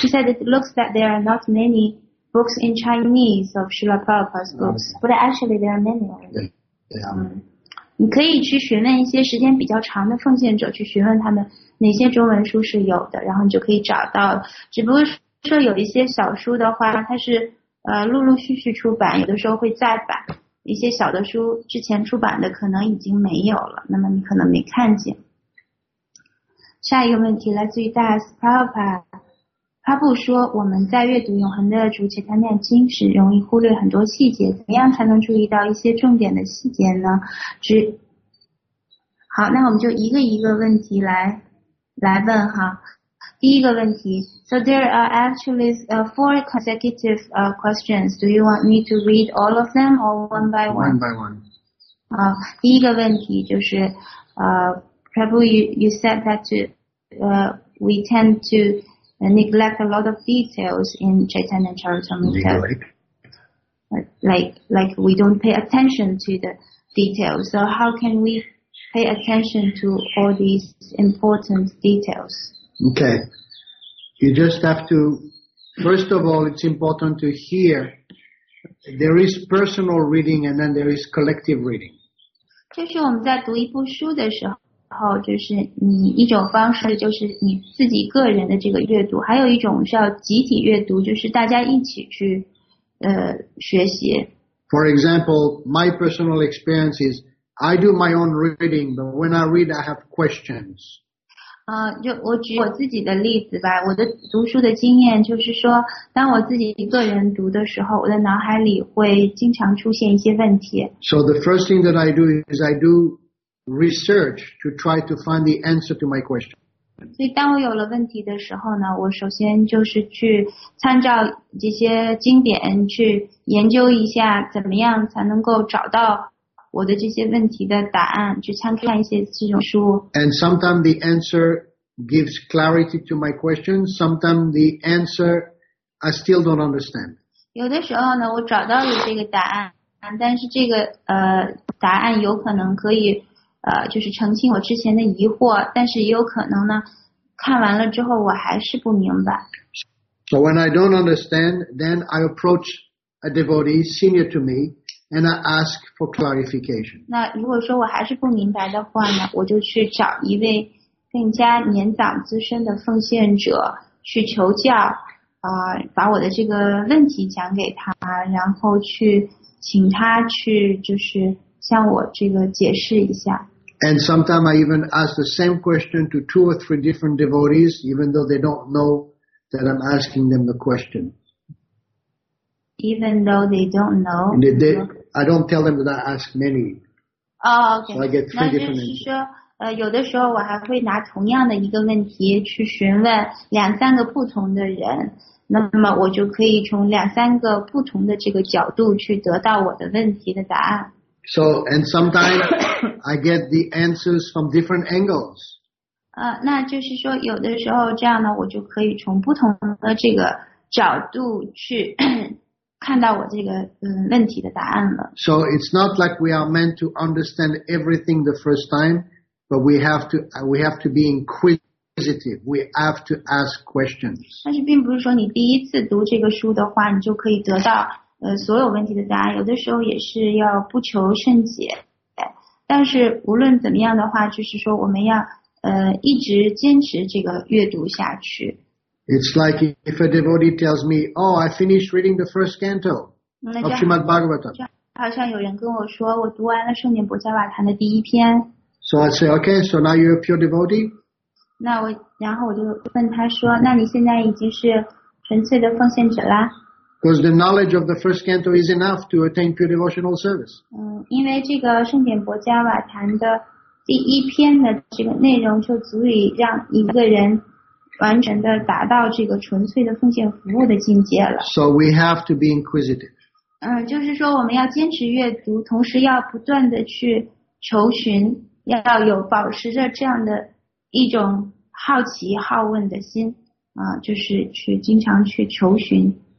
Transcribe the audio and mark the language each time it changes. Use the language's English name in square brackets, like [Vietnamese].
[English] He said it looks that there are not many books in Chinese of Srila Prabhupada's books, but actually there are many. Yeah. [Chinese] 你可以去询问一些时间比较长的奉献者，去询问他们哪些中文书是有的，然后你就可以找到。只不过说有一些小书的话，它是陆陆续续出版，有的时候会再版。一些小的书之前出版的可能已经没有了，那么你可能没看见。下一个问题来自于 Das Prabhupada。帕布说，我们在阅读永恒的主切坦念经时容易忽略很多细节，怎么样才能注意到一些重点的细节呢？好，那我们就一个一个问题来问哈。第一个问题， [English] So there are actually four consecutive questions. Do you want me to read all of them or one by one? One by one. [Chinese] 第一个问题就是 [English] Prabhu, you said that we tend toneglect a lot of details in Chaitanya Charitamrita. Like we don't pay attention to the details. So how can we pay attention to all these important details? Okay. You just have to, first of all, it's important to hear. There is personal reading and then there is collective reading. [Chinese] 就是我们在读一部书的时候，然后就是你一种方式就是你自己个人的这个阅读，还有一种是要集体阅读，就是大家一起去学习。 [English] For example, my personal experience is I do my own reading, but when I read, I have questions. [Chinese] 就我举我自己的例子吧，我的读书的经验就是说，当我自己一个人读的时候，我的脑海里会经常出现一些问题。 [English] So the first thing that I do is I do. Research to try to find the answer to my question. [Chinese] 所以当我有了问题的时候呢，我首先就是去参照这些经典，去研究一下怎么样才能够找到我的这些问题的答案，去参看一些这种书。 [English] And sometimes the answer gives clarity to my question. Sometimes the answer I still don't understand. [Chinese] 有的时候呢，我找到了这个答案，但是这个答案有可能可以就是澄清我之前的疑惑，但是也有可能呢看完了之后我还是不明白。 [English] So when I don't understand, then I approach a devotee senior to me and I ask for clarification. [Chinese] 那如果说我还是不明白的话呢，我就去找一位更加年长资深的奉献者去求教，把我的这个问题讲给他，然后去请他去就是向我这个解释一下。 [English] And sometimes I even ask the same question to two or three different devotees, even though they don't know that I'm asking them the question. Even though they don't know. I don't tell them that I ask many. Oh, okay. So I get three different answers. [Chinese] 那就是说，有的时候我还会拿同样的一个问题去询问两三个不同的人，那么我就可以从两三个不同的这个角度去得到我的问题的答案。 [English] So, and sometimes I get the answers from different angles. [Chinese] 那就是说有的时候这样呢，我就可以从不同的这个角度去看到我这个问题的答案了。 [English] So it's not like we are meant to understand everything the first time, but we have to be inquisitive. We have to ask questions. [Chinese] 但是并不是说你第一次读这个书的话，你就可以得到所有问题的答案，有的时候也是要不求甚解。但是无论怎么样的话，就是说我们要一直坚持这个阅读下去。 [English] It's like if a devotee tells me, "Oh, I finished reading the first canto of Srimad Bhagavatam." [Chinese] 好像有人跟我说，我读完了《圣严波伽瓦坛》的第一篇。 [English] So I say, "Okay, so now you're a pure devotee." [Chinese] 那我然后我就问他说，那你现在已经是纯粹的奉献者啦？ [English] Because the knowledge of the first canto is enough to attain pure devotional service. [Chinese] 因为这个圣典博加瓦坛的第一篇的这个内容就足以让一个人完全的达到这个纯粹的奉献服务的境界了。 [English] So we have to be inquisitive. [Chinese] 就是说我们要坚持阅读，同时要不断的去求寻，要有保持着这样的一种好奇好问的心，就是去经常去求寻。